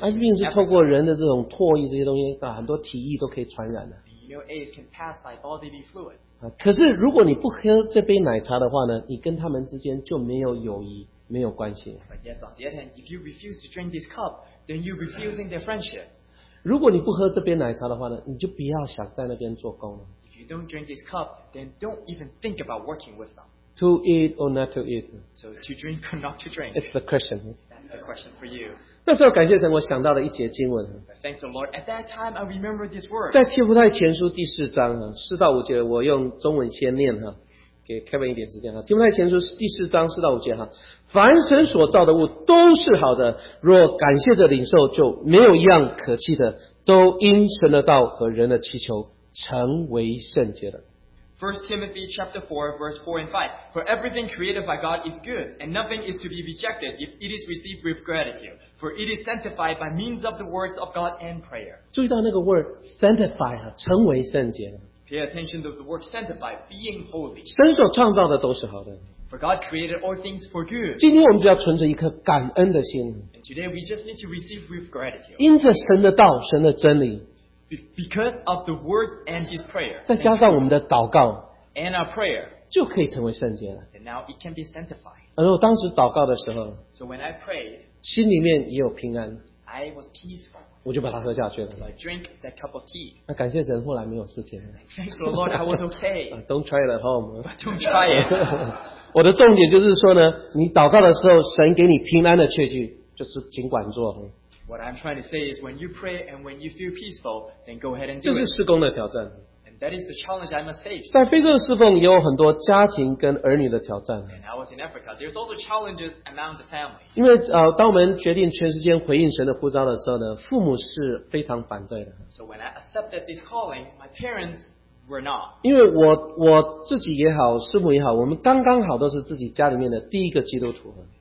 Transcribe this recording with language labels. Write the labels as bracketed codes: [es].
[zh] 艾滋病是透过人的这种唾液这些东西，很多体液都可以传染的。 [en] You know AIDS can pass by bodily fluids. [zh] 可是如果你不喝这杯奶茶的话呢，你跟他们之间就没有友谊。没有关系。 [en] But yet, on the other hand, if you refuse to drink this cup, then you're refusing their friendship. [zh] 如果你不喝这杯奶茶的话呢，你就不要想在那边做工了。 [en] If you don't drink this cup, then don't even think about working with them. To eat or not to eat. So to drink or not to drink. It's the question. That's the question for you. [zh] 那时候感谢神，我想到了一节经文。 [en] Thanks the Lord. At that time, I remember this word. [zh] 在帖弗太前书第四章四到五节，我用中文先念哈。给 Kevin 一点时间哈，提摩太前书第四章四到五节哈，凡神所造的物都是好的，若感谢着领受，就没有一样可弃的，都因神的道和人的祈求成为圣洁的。 [en] First Timothy chapter 4 verse 4 and 5. For everything created by God is good, and nothing is to be rejected if it is received with gratitude. For it is sanctified by means of the words of God and prayer. [zh] 注意到那个 [en] word sanctify [zh] 哈，成为圣洁的。 [en] Pay attention to the word sanctified, being holy. [zh] 神所创造的都是好的。 [en] For God created all things for good. [zh] 今天我们就要存着一颗感恩的心。 [en] And today we just need to receive with gratitude. [zh] 因着神的道，神的真理。 [en] Because of the words and His prayer. [zh] 再加上我们的祷告。 [en] And our prayer. [zh] 就可以成为圣洁了。 [en] And now it can be sanctified. [zh] 而我当时祷告的时候。 [en] So when I prayed. [zh] 心里面也有平安。 [en] I was peaceful. [zh] 我就把它喝下去了。 [en] So I drink that cup of tea. [zh] 那感谢神，后来没有事情。 [en] Thanks the Lord, I was okay. Don't try it at home. But don't try it. [zh] 我的重点就是说呢，你祷告的时候，神给你平安的确据，就是尽管做。 [en] What I'm trying to say is, when you pray and when you feel peaceful, then go ahead and do it. [zh] 这是事工的挑战。 [en] And that is the challenge I must face. [zh] 在非洲的侍奉也有很多家庭跟儿女的挑战。 [en] And I was in Africa. There's also challenges among the family. [zh] 因为当我们决定全时间回应神的呼召的时候呢，父母是非常反对的。 [en] So when I accepted this calling, my parents were not. [zh] 因为我自己也好，师母也好，我们刚刚好都是自己家里面的第一个基督徒。